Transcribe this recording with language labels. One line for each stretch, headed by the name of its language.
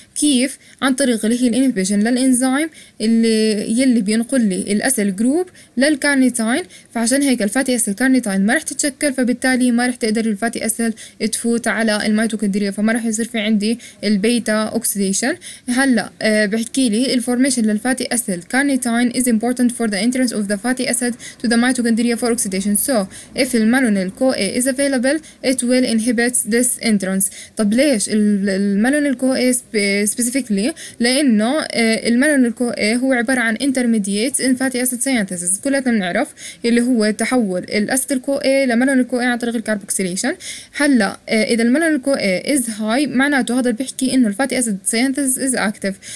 Arabic: كيف؟ عن طريق اللي هي الانهيبيشن للانزيم اللي يلي بينقل لي الاسيل جروب للكارنيتين، فعشان هيك الفاتي اسيل كارنيتين ما رح تتشكل، فبالتالي ما رح تقدر الفاتي اسيل تفوت على الميتوكوندريا، فما رح يصير في عندي البيتا اوكسيديشن. هلا بحكي لي
English: Actually, the formation of fatty acid carnitine is important for the entrance of the fatty acid to the mitochondria for oxidation. So, if the malonyl-CoA is available, it will inhibit this entrance.
Arabic: طب ليش المالونيل-CoA specifically؟ لأنه المالونيل-CoA هو عبارة عن
English: intermediate in fatty acid synthesis.
Arabic: كلنا نعرف اللي هو تحول الأسيتيل-CoA لمالونيل-CoA عن طريق الكاربوكسيليشن. هلا إذا المالونيل-CoA
English: is high
Arabic: معناته هذا بيحكي إنه الفاتي أسيد
English: synthesis is active.